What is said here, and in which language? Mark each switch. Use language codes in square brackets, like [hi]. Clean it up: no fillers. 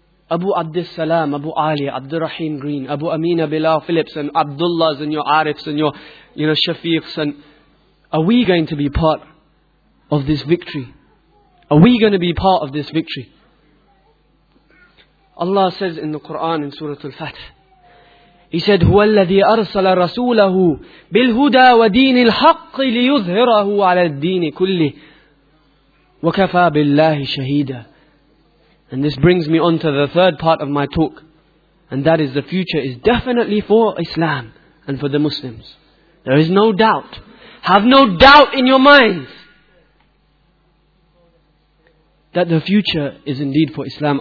[en] Abu Abdus Salam, Abu Ali, Abdul Rahim Green, Abu Amina Bilal Phillips, and Abdullahs, and your Arifs, and your, you know, Shafiqs, and are we going to be part of this victory? Are we going to be part of this victory? Allah says in the Quran in Surah Al-Fath, He said, [ar] هو الذي أرسل رسوله بالهدى ودين الحق ليظهره على الدين كله وكفى بالله شهيدا. [en] And this brings me on to the third part of my talk, and that is the future is definitely for Islam and for the Muslims. There is no doubt. Have no doubt in your minds that the future is indeed for Islam.